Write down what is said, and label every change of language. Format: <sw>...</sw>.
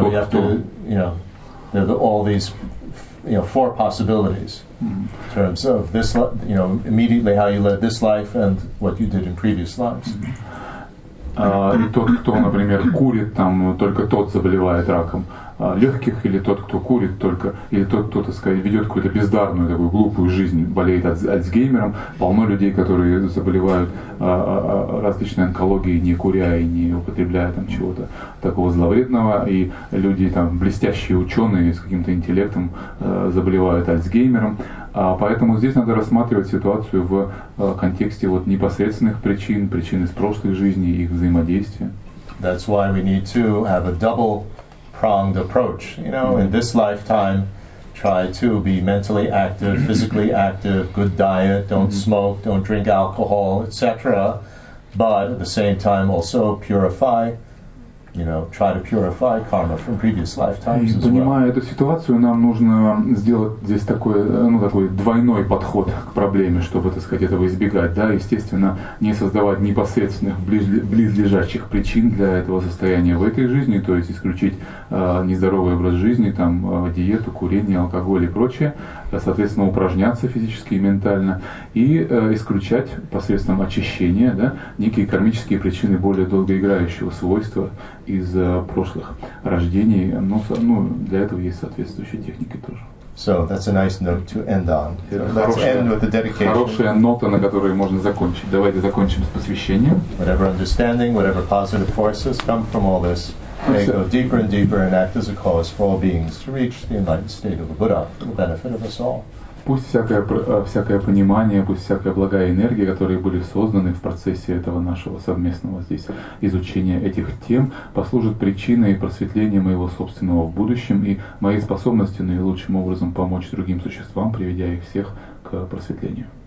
<en>so you have to, you know, there are all these you know, four possibilities in terms of this, you know, immediately how you led this life and what you did in previous lives.</en> <ru>И тот, кто, например, курит, там только тот заболевает раком легких, или тот, кто курит только, или тот, кто, так сказать, ведет какую-то бездарную, такую глупую жизнь, болеет Альцгеймером. Полно людей, которые заболевают различной онкологией, не куря и не употребляя там чего-то такого зловредного. И люди, там, блестящие ученые с каким-то интеллектом заболевают Альцгеймером. Поэтому здесь надо рассматривать ситуацию в контексте вот непосредственных причин, причин из прошлой жизни, их взаимодействия.</ru> <en>That's why we need to have a double pronged approach. You know, in this lifetime, try to be mentally active, physically active, good diet, don't smoke, don't drink alcohol, etc. But at the same time also purify. You know, try to purify karma from previous lifetimes.</en> <ru>И понимая эту ситуацию, нам нужно сделать здесь такой, ну, такой двойной подход к проблеме, чтобы, так сказать, этого избегать. Да, естественно, не создавать непосредственных близлежащих причин для этого состояния в этой жизни, то есть исключить нездоровый образ жизни, там диету, курение, алкоголь и прочее, соответственно, упражняться физически и ментально, и исключать посредством очищения, да, некие кармические причины более долгоиграющего свойства из прошлых рождений, но ну, для этого есть соответствующие техники тоже.</ru> <en>So that's a nice note to end on.</en> <ru>Хорошая нота, на которой можно закончить. Давайте закончим с посвящением.</ru> <en>Whatever understanding, whatever positive forces come from all this, may go deeper and deeper and act as a cause for all beings to reach the enlightened state of the Buddha for the benefit of us all.</en> <ru>Пусть всякое понимание, пусть всякая благая энергия, которые были созданы в процессе этого нашего совместного здесь изучения этих тем, послужит причиной просветления моего собственного в будущем и моей способности наилучшим образом помочь другим существам, приведя их всех к просветлению.</ru>